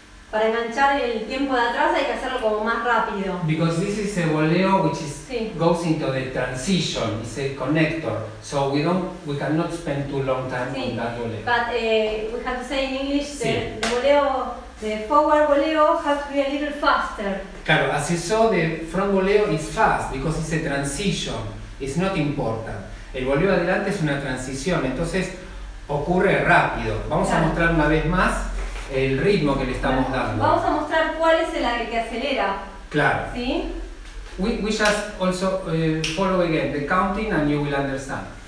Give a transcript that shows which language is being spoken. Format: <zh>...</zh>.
<es>Para enganchar el tiempo de atrás hay que hacerlo como más rápido.</es> <en>Because this is a voleo which is goes into the transition, it's a connector. So we cannot spend too long time on that voleo. But we have to say in English the forward voleo has to be a little faster. Claro, as you saw, the front voleo is fast because it's a transition. It's not important.</en> <es>El voleo adelante es una transición, entonces ocurre rápido. Vamos a mostrar una vez más el ritmo que le estamos dando. Vamos a mostrar cuál es el que acelera. Claro. ¿Sí?</es> <en>We just also follow again the counting and you will understand.</en>